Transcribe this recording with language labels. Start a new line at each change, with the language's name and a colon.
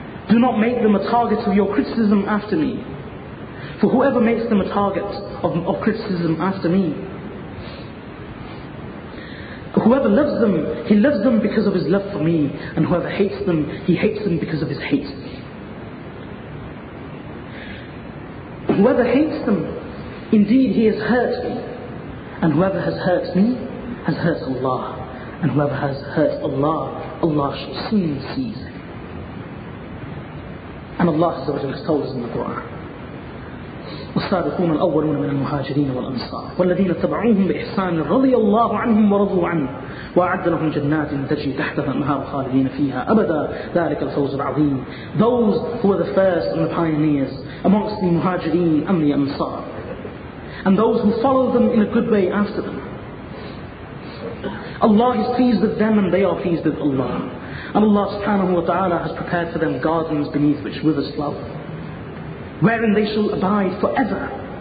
English: Do not make them a target of your criticism after me. For whoever makes them a target of criticism after me, whoever loves them, he loves them because of his love for me, and whoever hates them, he hates them because of his hate. Whoever hates them, indeed he has hurt me, and whoever has hurt me has hurt Allah, and whoever has hurt Allah, Allah shall soon seize him. And Allah Azza wa Jalla told us in the Quran,
Arabic: والصادقون الأولون من المهاجرين والأنصار والذين اتبعوهم بإحسان رضي الله عنهم ورضوا عنه وأعد لهم جنات تجري تحتها الأنهار خالدين فيها أبدا ذلك الفوز العظيم.
English: Those who are the first and the pioneers amongst the مهاجرين and the أنصار, and those who follow them in a good way after them, Allah is pleased with them and they are pleased with Allah, and Allah subhanahu wa ta'ala has prepared for them gardens beneath which rivers flow, wherein they shall abide forever.